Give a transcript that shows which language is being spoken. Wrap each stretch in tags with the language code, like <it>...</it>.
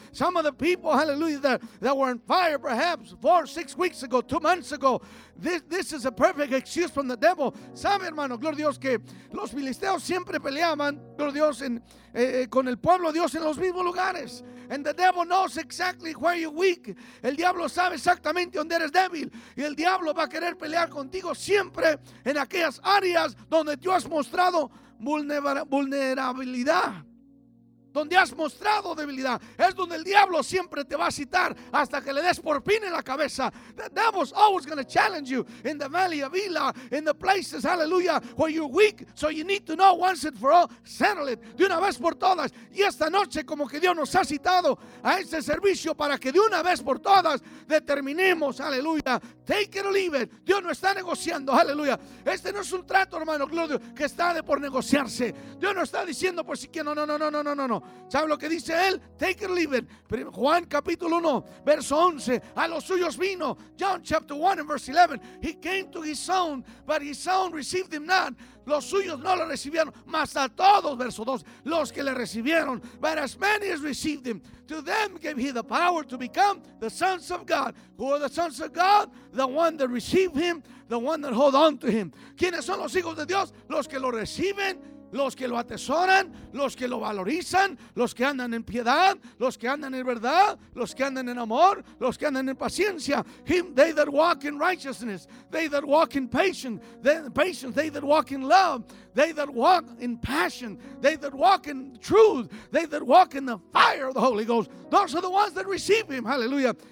<en>Some of the people, hallelujah, that were on fire perhaps 4, 6 weeks ago, 2 months ago. This is a perfect excuse from the devil.</en> <es>¿Sabe, hermano? Gloria a Dios que los filisteos siempre peleaban, gloria a Dios, con el pueblo de Dios en los mismos lugares.</es> <en>And the devil knows exactly where you're weak.</en> <es>El diablo sabe exactamente dónde eres débil. Y el diablo va a querer pelear contigo siempre en aquellas áreas donde tú has mostrado vulnerabilidad. Donde has mostrado debilidad. Es donde el diablo siempre te va a citar hasta que le des por fin en la cabeza.</es> <en>The devil's always going to challenge you in the valley of Elah, in the places, hallelujah, where you're weak. So you need to know once and for all, settle it.</en> <es>De una vez por todas. Y esta noche, como que Dios nos ha citado a este servicio para que de una vez por todas determinemos, hallelujah,</es> <en>take it or leave it.</en> <es>Dios no está negociando, hallelujah. Este no es un trato, hermano Claudio, que está de por negociarse. Dios no está diciendo por si que no. ¿Sabe lo que dice él?</es> <en>Take it or leave it.</en> <es>Juan capítulo 1, verso 11. A los suyos vino.</es> <en>John chapter 1 and verse 11. He came to his own, but his own received him not.</en> <es>Los suyos no lo recibieron, mas a todos, verso 2, los que le recibieron,</es> <en>but as many as received him, to them gave he the power to become the sons of God. Who are the sons of God? The one that received him, the one that hold on to him.</en> <es>¿Quiénes son los hijos de Dios? Los que lo reciben, los que lo atesoran, los que lo valorizan, los que andan en piedad, los que andan en verdad, los que andan en amor, los que andan en paciencia.</es> <en>Him, they that walk in righteousness, they that walk in patience, they that walk in love, they that walk in passion, they that walk in truth, they that walk in the fire of the Holy Ghost. Those are the ones that receive him, hallelujah.</en>